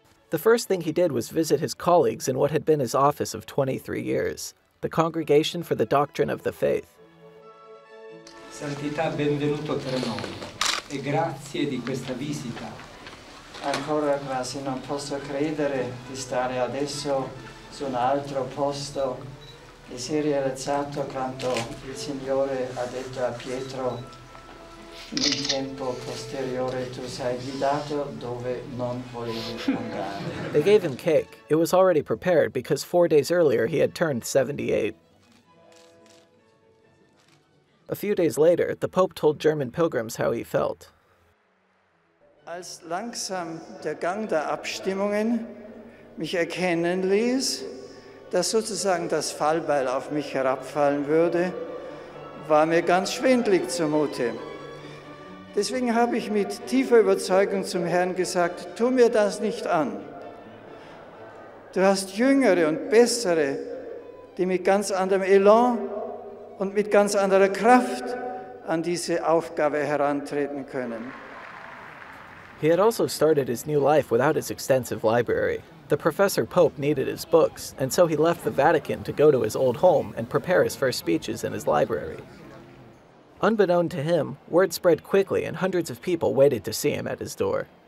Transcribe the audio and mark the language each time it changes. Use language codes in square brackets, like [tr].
[en] The first thing he did was visit his colleagues in what had been his office of 23 years, the Congregation for the Doctrine of the Faith. [it] Santità, benvenuto tra noi e grazie di questa visita. Ancora grazie, non posso credere di stare adesso su un altro posto. E si è realizzato quanto il Signore ha detto a Pietro, nel tempo posteriore tu sei guidato dove non volevi andare. [en] They gave him cake. It was already prepared because 4 days earlier he had turned 78. A few days later, the Pope told German pilgrims how he felt. [de] Als langsam der Gang der Abstimmungen mich erkennen ließ, dass sozusagen das Fallbeil auf mich herabfallen würde, war mir ganz schwindlig zumute. Deswegen habe ich mit tiefer Überzeugung zum Herrn gesagt, tu mir das nicht an. Du hast Jüngere und Bessere, die mit ganz anderem Elan und mit ganz anderer Kraft an diese Aufgabe herantreten können. [en] He had also started his new life without his extensive library. The professor Pope needed his books, and so he left the Vatican to go to his old home and prepare his first speeches in his library. Unbeknown to him, word spread quickly and hundreds of people waited to see him at his door.